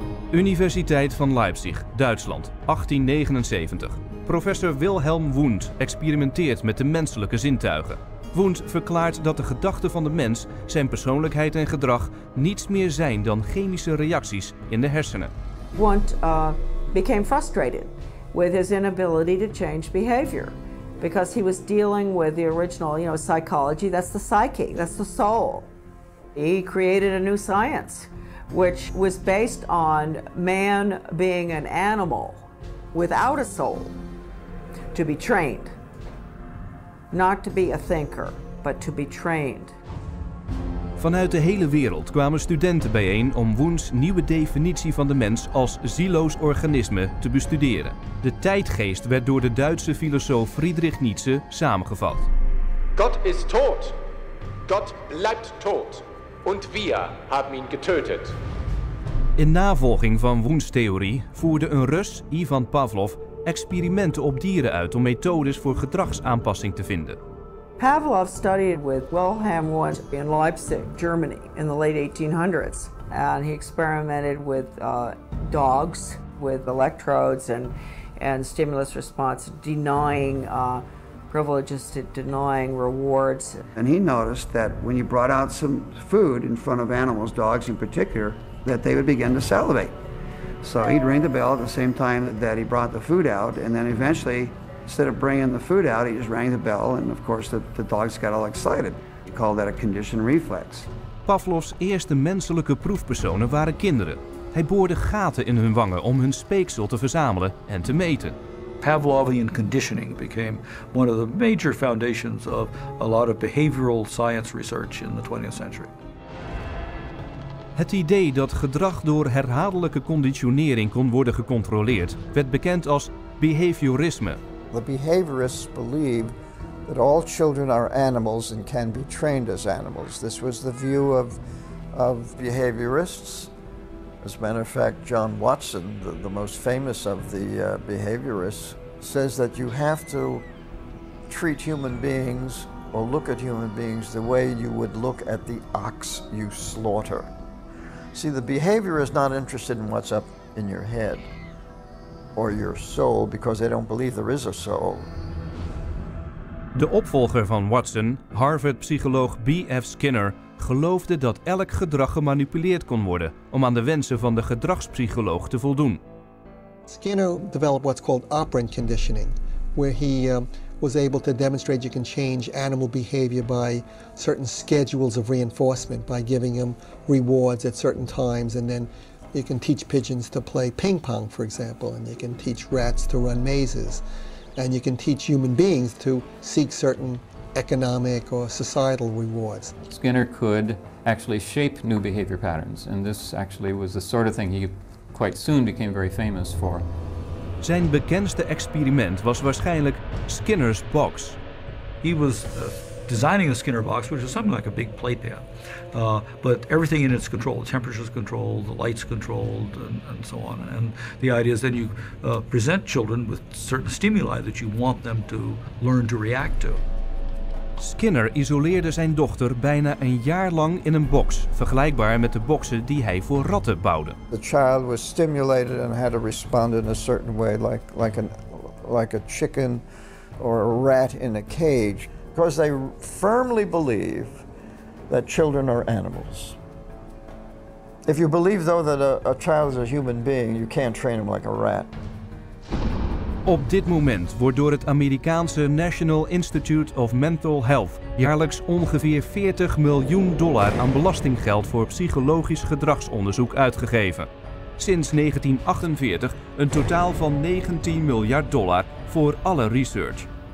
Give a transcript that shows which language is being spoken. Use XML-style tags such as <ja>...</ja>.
<nl>Universiteit van Leipzig, Duitsland, 1879. Professor Wilhelm Wundt experimenteert met de menselijke zintuigen. Wundt verklaart dat de gedachten van de mens, zijn persoonlijkheid en gedrag, niets meer zijn dan chemische reacties in de hersenen.</nl> <en>Wundt became frustrated with his inability to change behavior. Because he was dealing with the original, you know, psychology, that's the psyche, that's the soul. He created a new science, which was based on man being an animal without a soul, to be trained. Not to be a thinker, but to be trained.</en> <nl>Vanuit de hele wereld kwamen studenten bijeen om Wundt's nieuwe definitie van de mens als zieloos organisme te bestuderen. De tijdgeest werd door de Duitse filosoof Friedrich Nietzsche samengevat.</nl> <de>God is tot. God blijft tot.</de> <nl>En wij hebben hem getötet. In navolging van Wundt's theorie voerde een Rus, Ivan Pavlov, experimenten op dieren uit om methodes voor gedragsaanpassing te vinden.</nl> <en>Pavlov studied with Wilhelm Wundt in Leipzig, Germany, in the late 1800s. And he experimented with dogs, with electrodes and stimulus response, denying privileges, to denying rewards. And he noticed that when you brought out some food in front of animals, dogs in particular, that they would begin to salivate. So he'd ring the bell at the same time that he brought the food out, and then eventually, instead of bringing the food out, he just rang the bell, and of course the dogs got all excited. He called that a conditioned reflex.</en> <nl>Pavlov's eerste menselijke proefpersonen waren kinderen. Hij boorde gaten in hun wangen om hun speeksel te verzamelen en te meten.</nl> <en>Pavlovian conditioning became one of the major foundations of a lot of behavioral science research in the 20th century.</en> <nl>Het idee dat gedrag door herhaaldelijke conditionering kon worden gecontroleerd, werd bekend als behaviorisme.</nl> <en>The behaviorists believe that all children are animals and can be trained as animals. This was the view of behaviorists. As a matter of fact, John Watson, the most famous of the behaviorists, says that you have to treat human beings or look at human beings the way you would look at the ox you slaughter. See, the behaviorist is not interested in what's up in your head or your soul, because they don't believe there is a soul.</en> <nl>De opvolger van Watson, Harvard-psycholoog B.F. Skinner, geloofde dat elk gedrag gemanipuleerd kon worden om aan de wensen van de gedragspsycholoog te voldoen.</nl> <en>Skinner developed what's called operant conditioning, where he was able to demonstrate you can change animal behavior by certain schedules of reinforcement, by giving them rewards at certain times, and then you can teach pigeons to play ping pong, for example, and you can teach rats to run mazes, and you can teach human beings to seek certain economic or societal rewards. Skinner could actually shape new behavior patterns, and this actually was the sort of thing he quite soon became very famous for.</en> <nl>Zijn bekendste experiment was waarschijnlijk Skinner's box.</nl> <en>He was designing the Skinner box, which is something like a big playpen, but everything in it's controlled. The temperature's controlled, the light's controlled, and so on. And the idea is then you present children with certain stimuli that you want them to learn to react to.</en> <nl>Skinner isoleerde zijn dochter bijna een jaar lang in een box, vergelijkbaar met de boxen die hij voor ratten bouwde.</nl> <en>The child was stimulated and had to respond in a certain way, like a chicken or a rat in a cage, because they firmly believe that children are animals. If you believe though that a child is a human being, you can't train him like a rat.</en> <nl>Op dit moment wordt door het Amerikaanse National Institute of Mental Health jaarlijks ongeveer $40 miljoen aan belastinggeld voor psychologisch gedragsonderzoek uitgegeven. Sinds 1948 een totaal van $19 miljard voor alle research.</nl>